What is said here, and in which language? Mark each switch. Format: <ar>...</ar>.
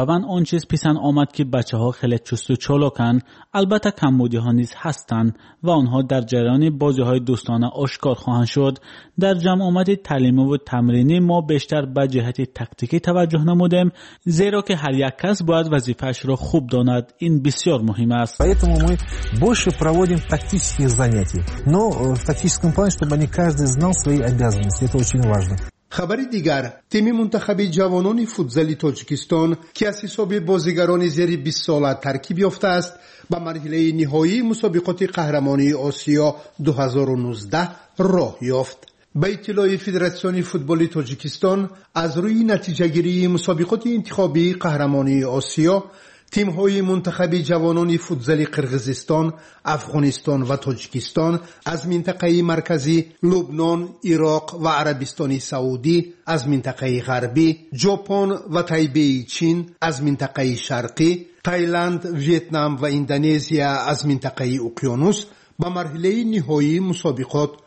<fa>به من اون چیز پسند آمد که بچه‌ها خیلی چست و چالاکن. البته کمبودی‌ها نیز هستند و آنها در جریان بازی‌های دوستانه آشکار خواهند شد. در جمع آمد تعلیمی و تمرینی ما بیشتر به جهت تاکتیکی توجه نمودیم، زیرا که هر یک کس باید وظیفه‌اش را خوب داند. این بسیار مهم است.</fa> <ru>поэтому мы больше проводим тактические занятия. Но в тактическом плане, чтобы они каждый знал свои обязанности.</ru> <fa>خبر دیگر، تیم منتخب جوانان فوتزال تاجیکستان که از حساب بازیگران زیر 20 ساله ترکیب یافته است به مرحله نهایی مسابقات قهرمانی آسیا 2019 راه یافت. به اطلاع فدراسیون فوتبال تاجیکستان، از روی نتیجه گیری مسابقات انتخابی قهرمانی آسیا، تیم های منتخب جوانان فوتزال قرغیزستان، افغانستان و تاجیکستان از منطقه مرکزی، لبنان، عراق و عربستان سعودی از منطقه غربی، ژاپن و تایبه چین از منطقه شرقی، تایلند، ویتنام و اندونزیا از منطقه اقیانوس به مرحله نهایی مسابقات</fa>